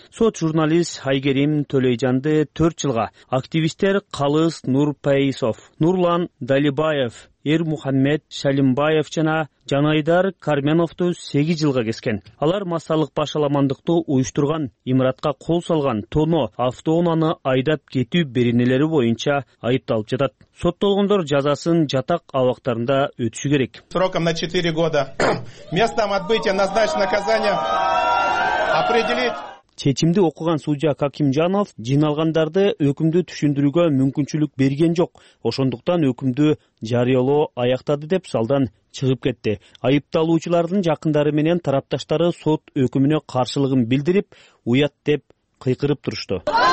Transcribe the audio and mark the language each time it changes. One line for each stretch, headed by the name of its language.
Kyrgyz: Сот журналист Айгерим Төлөйжанды 4 жылга, активисттер Калыс Нурпейсов, Нурлан Далибаев, Эр Мухаммед Шалимбаев жана Жанайдар Карменовду 8 жылга кескен. Алар массалык башаламандыкты уюштурган, имаратка кол салган, тоно, автоунаны айдап кетүү беренелери боюнча айыпталып жатат. Соттолгондор жазасын жатак абактарында өтүшү керек.
Russian: Сроком на 4 года. Местом отбытия назначено наказание определить.
Kyrgyz: Чечимди окуган судья Какимжанов жыйналгандарды өкүмдү түшүндүрүүгө мүмкүнчүлүк берген жок. Ошондуктан өкүмдү жарыялоо аяктады деп салдан чыгып кетти. Айыпталуучулардын жакындары менен тарапташтары сот өкүмүнө каршылыгын билдирип, уят деп кыйкырып турушту.